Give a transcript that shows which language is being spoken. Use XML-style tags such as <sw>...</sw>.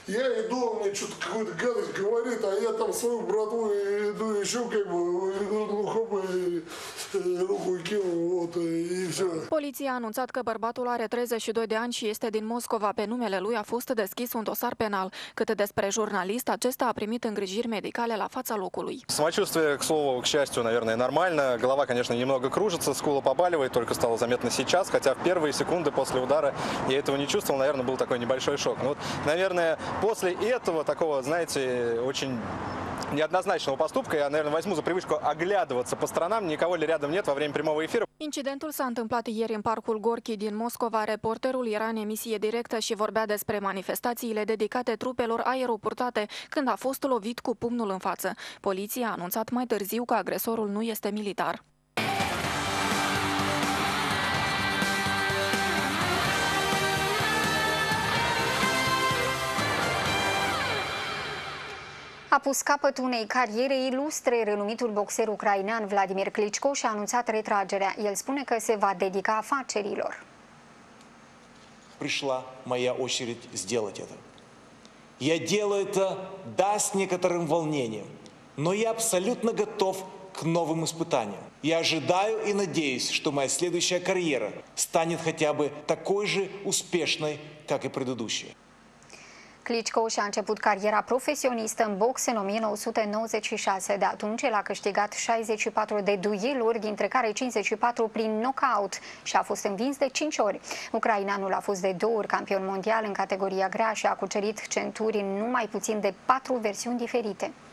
<ru>Я иду, он мне что-то какую-то гадость говорит, а я там свою братву иду еще как бы, ну хоп, руку кину, вот, и все.</ru> <ro>Poliția a anunțat că bărbatul are 32 de ani și este din Moscova. Pe numele lui a fost deschis un dosar penal. Cât despre jurnalist, acesta a primit îngrijiri medicale la fața locului.</ro> <ru>Самочувствие, к слову, к счастью, наверное, нормально. Голова, конечно, немного кружится, скула побаливает, только стало заметно сейчас, хотя в первые секунды после удара я этого не чувствовал, наверное, был такой небольшой шок. Ну, вот, наверное, после этого такого, знаете, очень неоднозначного поступка, я, наверное, возьму за привычку оглядываться по сторонам, никого ли рядом нет во время прямого эфира.</ru> <ro>Incidentul s-a întâmplat ieri în parcul Gorki din Moscova. Reporterul era în emisie directă și vorbea despre manifestațiile dedicate trupelor aeroportate când a fost lovit cu pumnul în față. Poliția a anunțat mai târziu că agresorul nu este militar. A pus capăt unei cariere ilustre renumitul boxer ucrainean Vladimir Klitschko și a anunțat retragerea. El spune că se va dedica afacerilor.</ro> <ru>Пришла моя очередь сделать это. Я делаю это да с некоторым волнением, но я абсолютно готов к новым испытаниям. Я ожидаю и надеюсь, что моя следующая кариера станет хотя бы такой же успешной, как и предыдущая.</ru> <ro>Klitschko și-a început cariera profesionistă în box în 1996. De atunci el a câștigat 64 de dueluri, dintre care 54 prin knockout și a fost învins de 5 ori. Ucraineanul a fost de 2 ori campion mondial în categoria grea și a cucerit centuri în numai puțin de 4 versiuni diferite.</ro>